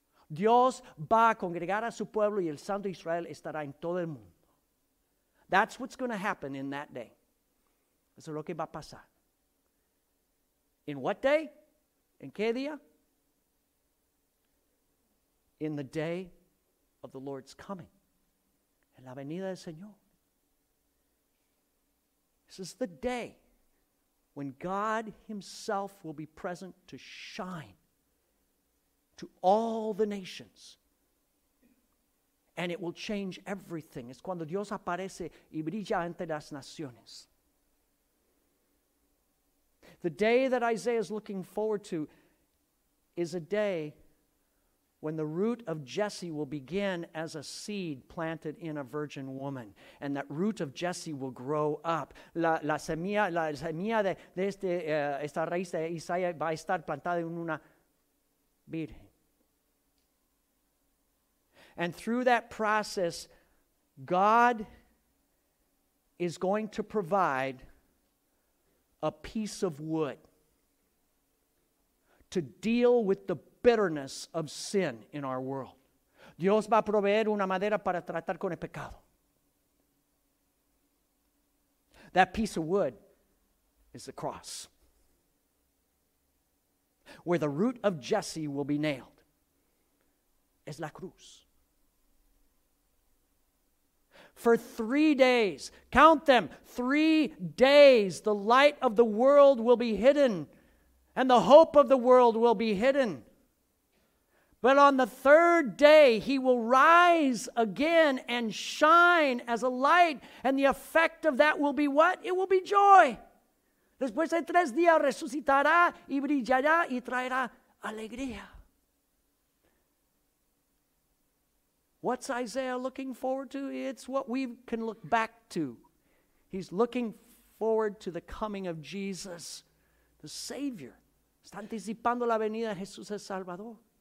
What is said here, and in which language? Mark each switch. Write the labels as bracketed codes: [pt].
[es] Dios va a congregar a su pueblo y el Santo Israel estará en todo el mundo. [en] That's what's going to happen in that day. [es] Eso es lo que va a pasar. [en] In what day? [es] ¿En qué día? [en] In the day of the Lord's coming. [es] En la venida del Señor. [en] This is the day when God himself will be present to shine to all the nations. And it will change everything. [es] Es cuando Dios aparece y brilla ante las naciones. [en] The day that Isaiah is looking forward to is a day when the root of Jesse will begin as a seed planted in a virgin woman. And that root of Jesse will grow up. [es] La semilla de esta raíz de Isaías va a estar plantada en una virgen. [en] And through that process, God is going to provide a piece of wood to deal with the bitterness of sin in our world. [es] Dios va a proveer una madera para tratar con el pecado. [en] That piece of wood is the cross. where the root of Jesse will be nailed. [es] Es la cruz. [en] For 3 days, count them, 3 days, the light of the world will be hidden and the hope of the world will be hidden. But on the third day, he will rise again and shine as a light. And the effect of that will be what? It will be joy. [es] Después de 3 días, resucitará y brillará y traerá alegría. [en] What's Isaiah looking forward to? It's what we can look back to. He's looking forward to the coming of Jesus, the Savior. [es] Está anticipando la venida de Jesús el Salvador.